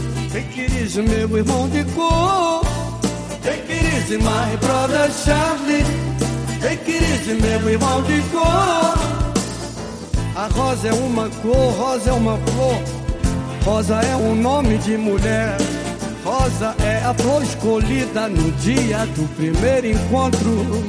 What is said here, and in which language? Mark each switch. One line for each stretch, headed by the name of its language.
English: Take it easy,
Portuguese: meu irmão de cor.
English: Take it easy, my brother Charlie. Take it easy,
Portuguese: meu irmão de cor. A rosa é uma cor, rosa é uma flor. Rosa é um nome de mulher. Rosa é a flor escolhida no dia do primeiro encontro.